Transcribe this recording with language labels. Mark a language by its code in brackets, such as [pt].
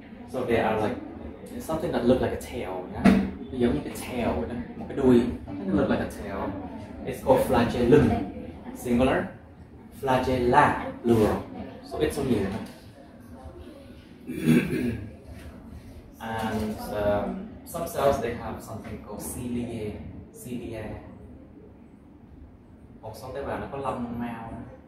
[en] So they are like something that look like a tail, yeah? [vi] Giống như cái tail, một cái đuôi. [en] Something look like a tail. It's called flagellum, singular. Flagella, plural. So it's so weird. And some cells they have something called cilia. [vi] Một số tế bào nó có lông mao.